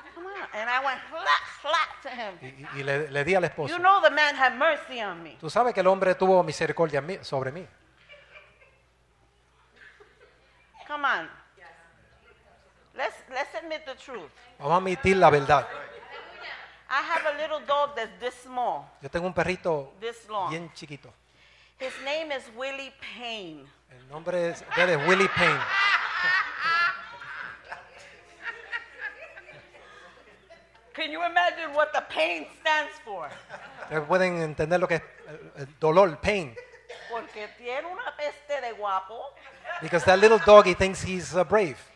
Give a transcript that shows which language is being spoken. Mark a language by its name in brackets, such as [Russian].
[English] Come on. And I went flat to him. [Spanish] Y le di al esposo. [English] You know the man had mercy on me. [Spanish] Tú sabes que el hombre tuvo misericordia sobre mí. [English] Come on. Let's admit the truth. [Spanish] Vamos a admitir la verdad. [English] I have a little dog that's this small. [Spanish] Yo tengo un perrito [English] this long. [Spanish] Bien chiquito. [English] His name is Willie Payne. [Spanish] El nombre es Willie Payne. [English] Can you imagine what the pain stands for? [Spanish] ¿Pueden entender lo que es el dolor, pain? Porque tiene una peste de guapo. [English] Because that little dog, he thinks he's brave.